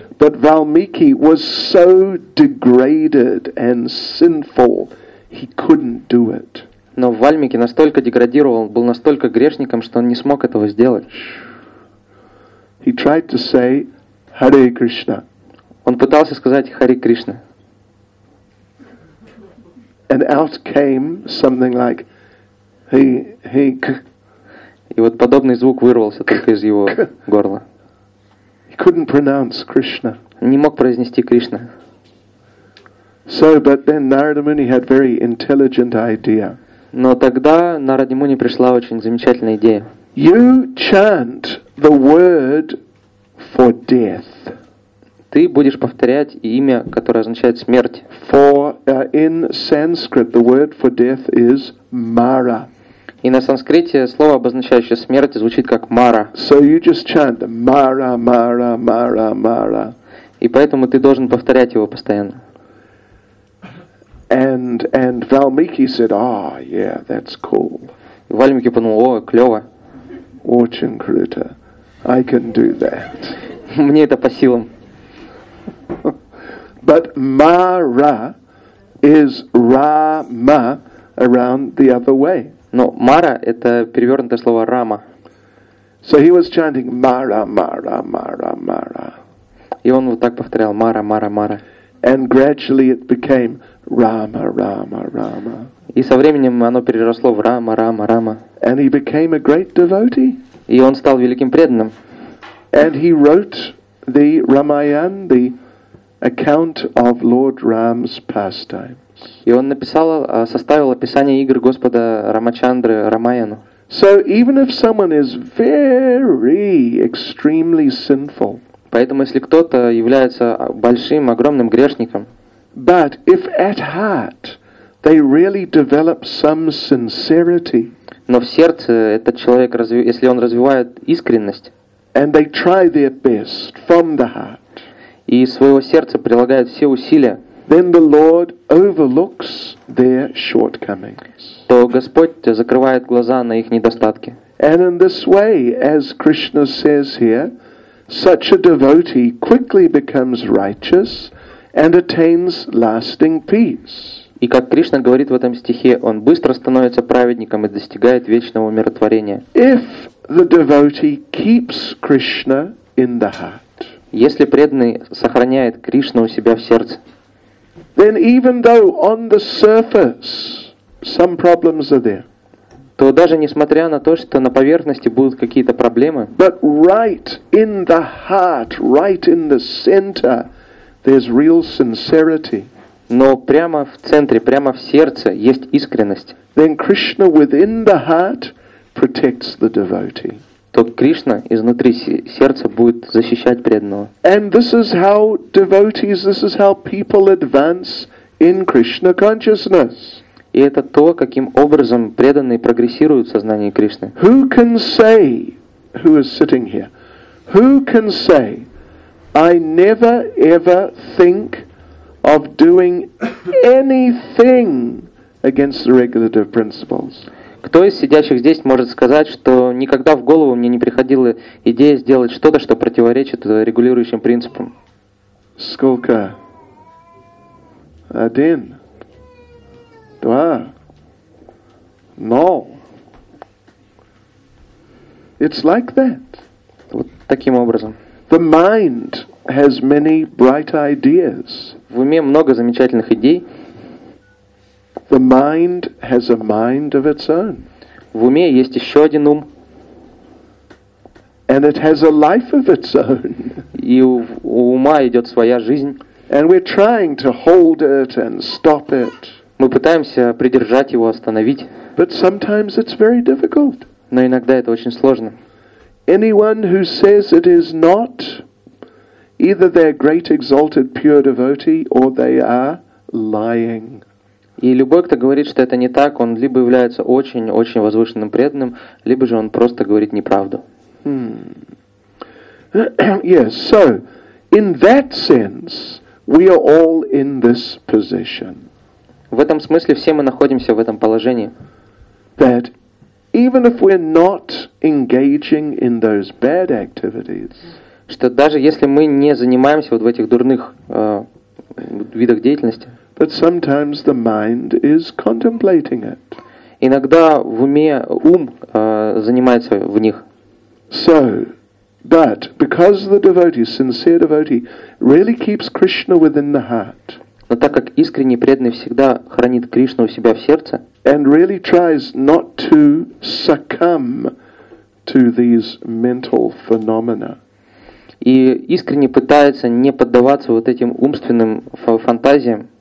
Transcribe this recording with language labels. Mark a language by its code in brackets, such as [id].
[en] But Valmiki was so degraded and sinful, he couldn't do it. [ru] Но Вальмики настолько деградировал, был настолько грешником, что он не смог этого сделать. [en] He tried to say Hare Krishna. [ru] Он пытался сказать Хари Кришна. [en] And out came something like he. [ru] И вот подобный звук вырвался только из его горла. [en] He couldn't pronounce Krishna. [ru] Не мог произнести Кришна. [en] So, but then Narada Muni had very intelligent idea. [ru] Но тогда Нараде Муни пришла очень замечательная идея. [en] You chant the word for death. [ru] Ты будешь повторять имя, которое означает смерть. [en] For in Sanskrit the word for death is Mara. [ru] И на санскрите слово, обозначающее смерть, звучит как Мара. [en] So you just chant Mara, Mara, Mara, Mara. [ru] И поэтому ты должен повторять его постоянно. [en] And Valmiki said, "Ah, yeah, that's cool." [ru] И Вальмики подумал, о, клево. Очень круто. [en] I can do that. [ru] Мне это по силам. [en] But Mara is Rama around the other way. [ru] Но Мара — это перевернутое слово Рама. [en] So he was chanting Mara, Mara, Mara, Mara. [ru] И он вот так повторял Мара, Мара, Мара. [en] And gradually it became Rama, Rama, Rama. [ru] И со временем оно переросло в Рама, Рама, Рама. [en] And he became a great devotee. [ru] И он стал великим преданным. [en] And he wrote the Ramayana, the account of Lord Ram's pastime. [ru] И он написал, составил описание игр Господа Рамачандры Рамаяну. [en] So even if someone is very extremely sinful, [ru] Поэтому если кто-то является большим, огромным грешником, [en] but if at heart they really develop some sincerity, [ru] но в сердце этот человек, если он развивает искренность, [en] and they try their best from the heart, [ru] и своего сердца прилагают все усилия, [en] then the Lord overlooks their shortcomings, [ru] то Господь закрывает глаза на их недостатки. [en] And in this way, as Krishna says here, such a devotee quickly becomes righteous and attains lasting peace. [ru] И как Кришна говорит в этом стихе, он быстро становится праведником и достигает вечного умиротворения. [en] If the devotee keeps Krishna in the heart, [ru] если преданный сохраняет Кришну у себя в сердце, [en] then even though on the surface some problems are there, [ru] то даже несмотря на то, что на поверхности будут какие-то проблемы, [en] but right in the heart, right in the center, there's real sincerity. [ru] Но прямо в центре, прямо в сердце есть искренность. [en] Then Krishna within the heart protects the devotee. [ru] То Кришна изнутри сердца будет защищать преданного. [en] And this is how devotees, this is how people advance in Krishna consciousness. [ru] И это то, каким образом преданные прогрессируют в сознании Кришны. [en] Who can say, who is sitting here, who can say, I never ever think of doing anything against the regulative principles? [ru] Кто из сидящих здесь может сказать, что никогда в голову мне не приходила идея сделать что-то, что противоречит регулирующим принципам? Сколько? Один. Два. Но. [en] It's like that. [ru] Вот таким образом. [en] The mind has many bright ideas. [ru] В уме много замечательных идей. [en] The mind has a mind of its own. [ru] В уме есть еще один ум. [en] And it has a life of its own. [ru] И у ума идет своя жизнь. [en] And we're trying to hold it and stop it. [ru] Мы пытаемся придержать его, остановить. [en] But sometimes it's very difficult. [ru] Но иногда это очень сложно. [en] Anyone who says it is not, either they're great exalted pure devotee or they are lying. [ru] И любой, кто говорит, что это не так, он либо является очень-очень возвышенным преданным, либо же он просто говорит неправду. [en] Yes, so in that sense we are all in this position. [ru] В этом смысле все мы находимся в этом положении. [en] That even if we're not engaging in those bad activities, [ru] что даже если мы не занимаемся вот в этих дурных видах деятельности, [en] but sometimes the mind is contemplating it. [ru] Иногда в уме ум занимается в них. [en] So, but because the devotee, sincere devotee, really keeps Krishna within the heart, [ru] но так как искренний преданный всегда хранит Кришну у себя в сердце, [en] and really tries not to succumb to these mental phenomena, [ru] и искренне пытается не поддаваться вот этим умственным фантазиям,